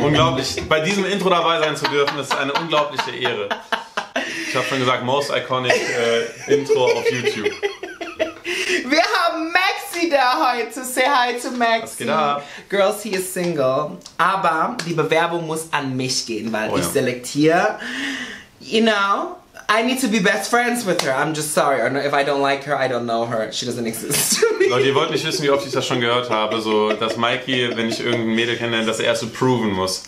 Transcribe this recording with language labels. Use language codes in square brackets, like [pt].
[de] Unglaublich, bei diesem Intro dabei sein zu dürfen, ist eine unglaubliche Ehre. Ich habe schon gesagt, [en] most iconic [de] Intro auf YouTube. Wir haben Maxi da heute. [en] Say hi to Maxi. [de] Was geht ab? [en] Girls, he is single. [de] Aber die Bewerbung muss an mich gehen, weil ich selektiere. [en] You know, I need to be best friends with her. I'm just sorry. If I don't like her, I don't know her. She doesn't exist to me. [de] Leute, ihr wollt nicht wissen, wie oft ich das schon gehört habe, so, dass Mikey, wenn ich irgendein Mädel kennenlerne, das erst approven muss.